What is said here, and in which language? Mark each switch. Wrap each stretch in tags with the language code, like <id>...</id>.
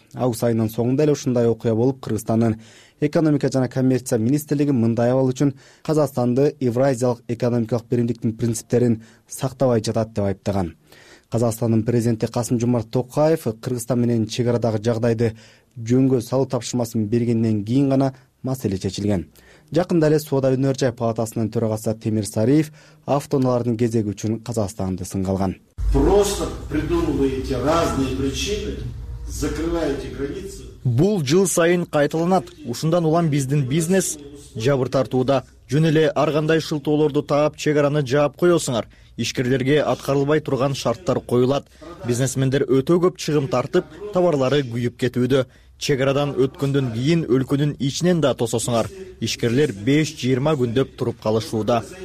<ky>Август айынын соңунда эле ушундай окуя болуп, Кыргызстандын экономика жана коммерция министрлиги мындай абал үчүн Казакстанды Евразиялык экономикалык биримдиктин принциптерин сактабай жатат деп айыптаган. Казакстандын президенти Касым Жомарт Токаев Кыргызстан менен чек арадагы жагдайды жөнгө салуу тапшырмасын бергенден кийин гана маселе чечилген. Жакында эле соода өнөр жай палатасынын төрагасы Темир Сариев автоунаалардын кезеги үчүн Казакстанды сынга алган.</ky> <ru>Просто придумываете разные причины, закрываете границы.</ru> <ky>Бул жыл сайын кайталанат. Ушундан улам биздин бизнес жабыр тартууда. Жөн эле ар кандай шылтоолорду таап, чек араны жаап коесуңар. Ишкерлерге аткарылбай турган шарттар коюлат. Бизнесмендер өтө көп чыгым тартып, товарлары күйүп кетүүдө. Чек арадан өткөндөн кийин өлкөнүн ичинен да тососуңар, ишкерлер 5-20 күндөп туруп калышууда.</ky>